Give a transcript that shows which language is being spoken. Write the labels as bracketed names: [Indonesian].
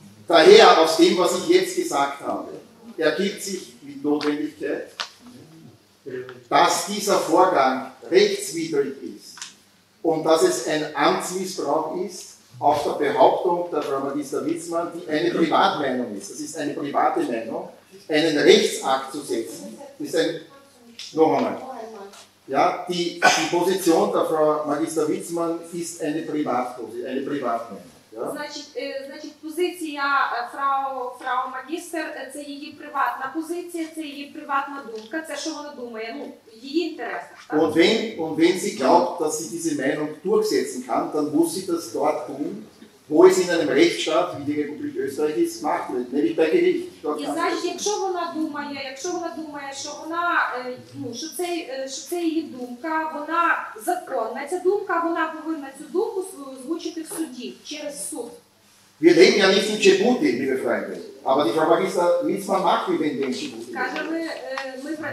[German] Daher, aus dem, was ich jetzt gesagt habe, ergibt sich mit Notwendigkeit, dass dieser Vorgang rechtswidrig ist und dass es ein Amtsmissbrauch ist, auf der Behauptung der Frau Magister Witzmann, die eine Privatmeinung ist, das ist eine private Meinung, einen Rechtsakt zu setzen. Das ist ein, noch einmal. Ja, die Position der Frau Magister Witzmann ist eine Privatposition, eine Privatmeinung. [Ukrainian] Значить, позиція фрау магістер – це її приватна позиція, це її приватна думка, це, що вона думає, ну, її інтереси. [German] Und wenn sie glaubt, dass sie diese Meinung durchsetzen kann, dann muss sie das dort tun, wo es in einem Rechtsstaat, wie die Republik Österreich ist, macht wird, nämlich bei Gericht. [Ukrainian] І, значить, якщо вона думає, що вона, ну, що це її думка, вона законна, ця думка, вона повинна цю думку свою озвучити в суді, через суд. [German] Wir leben ja nicht in Djibouti, liebe Freunde. Aber die Frau Magister Witzmann macht, wie wenn wir in Djibouti leben.